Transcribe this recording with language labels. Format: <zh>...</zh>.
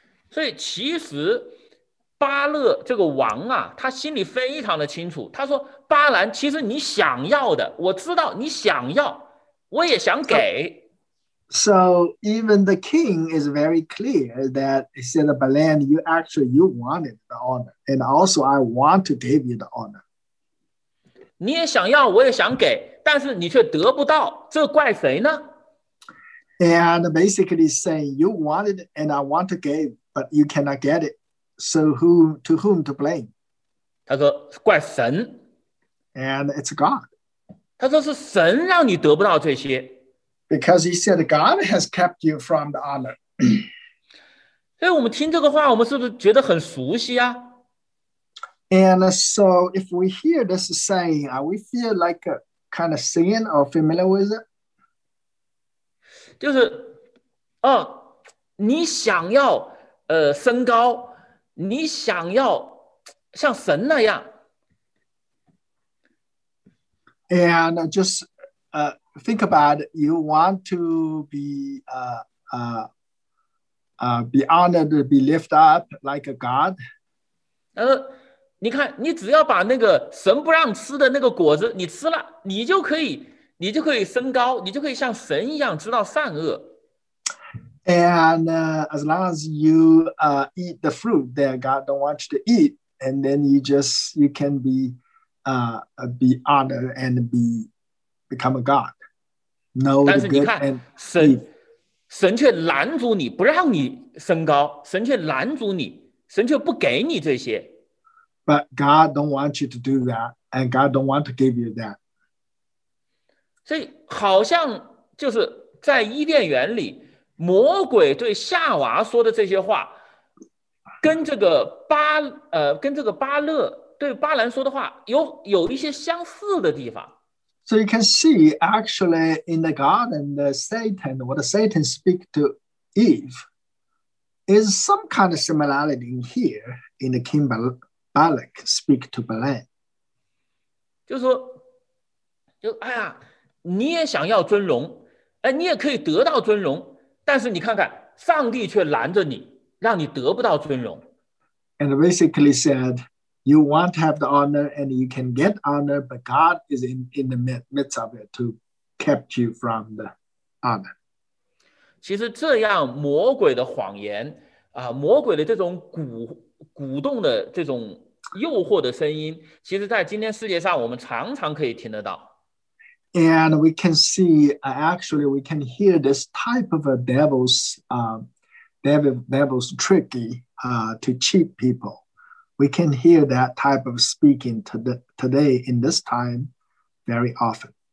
<zh>所以其实巴勒这个王啊，他心里非常的清楚，他说巴兰，其实你想要的，我知道你想要，我也想给。</zh> <en>So even the king is very clear that he said, Balaam, you wanted the honor, and also I want to give you the honor.</en> <zh>你也想要，我也想给，但是你却得不到，这怪谁呢？</zh> <en>And basically saying, you wanted it and I want to give, but you cannot get it. So who, to whom to blame?</en> <zh>他说怪神。</zh> <en>And it's God.</en> <zh>他说是神让你得不到这些。</zh> <en>Because he said God has kept you from the honor.</en> <zh>所以我们听这个话，我们是不是觉得很熟悉啊？</zh> <en>And so if we hear this saying, are we feel like kind of seeing or familiar with it?</en> <zh>就是，哦，你想要升高，你想要像神那样。</zh> <en>And just think about it. You want to be honored, be lifted up like a God.</en> <zh>你看，你只要把那个神不让吃的那个果子你吃了，你就可以，你就可以升高，你就可以像神一样知道善恶。</zh> <en>And as long as you eat the fruit that God don't want you to eat, and then you just you can be honored and become a God, know the good and evil.</en> <zh>神却拦阻你，不让你升高。神却拦阻你，神却不给你这些。</zh> <en>But God don't want you to do that, and God don't want to give you that.</en> <zh>所以好像就是在伊甸园里。魔鬼对夏娃说的这些话，跟这个巴勒对巴兰说的话有一些相似的地方。</zh> <en>So you can see, actually, in the garden, what Satan speak to Eve is some kind of similarity here in the king Balak speak to Balaam.</en> <zh>就说，你也想要尊荣，你也可以得到尊荣。但是你看看，上帝却拦着你，让你得不到尊荣。</zh> <en>And basically said, you want to have the honor and you can get honor, but God is in the midst of it to keep you from the honor.</en> <zh>其实这样魔鬼的谎言，魔鬼的这种鼓动的这种诱惑的声音，其实在今天世界上我们常常可以听得到。</zh> <en>And we can see, actually, we can hear this type of a devil's tricky to cheat people. We can hear that type of speaking today in this time very often.</en>